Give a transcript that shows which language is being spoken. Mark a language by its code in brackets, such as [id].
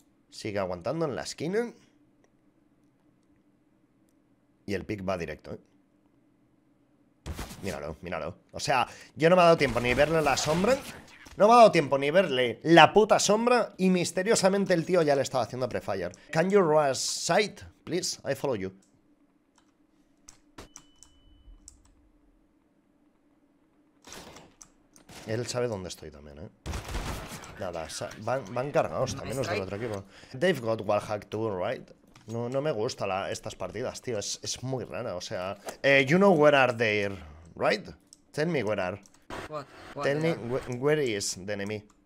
[es] Sigue aguantando en la esquina. Y el pick va directo, ¿eh? Míralo, míralo. O sea, yo no me ha dado tiempo ni verle la sombra. No me ha dado tiempo ni verle la puta sombra. Y misteriosamente el tío ya le estaba haciendo prefire. [en] Can you rush sight, please? I follow you. [es] Él sabe dónde estoy también, ¿eh? Nada, van cargados también los del otro equipo. [en] They've got wallhack too, right? [es] No, no me gustan estas partidas, tío. Es muy rara, o sea... [en] you know where are they, right? Tell me where are. What? Tell me where is the enemy.